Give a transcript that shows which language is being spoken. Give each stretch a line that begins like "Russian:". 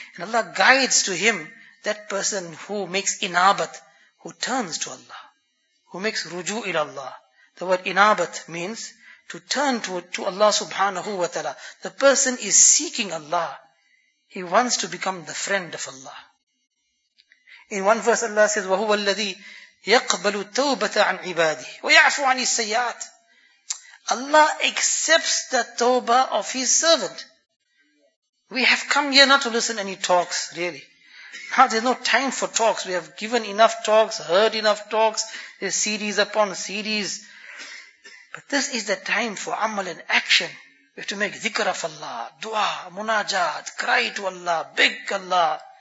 English: And Allah guides to him that person who makes inabat, who turns to Allah, who makes ruju ila Allah. The word inabat means to turn to Allah subhanahu wa ta'ala. The person is seeking Allah. He wants to become the friend of Allah. In one verse Allah says,
Arabic: وَهُوَ الَّذِي يَقْبَلُ التَّوْبَةَ عَنْ عِبَادِهِ وَيَعْفُ عَنِ السَّيَّاتِ.
English: Allah accepts the tawbah of His servant. We have come here not to listen to any talks, really. Now there's no time for talks. We have given enough talks, heard enough talks, there's series upon series. But this is the time for amal and action. We have to make dhikr of Allah, dua, munajat, cry to Allah, beg Allah.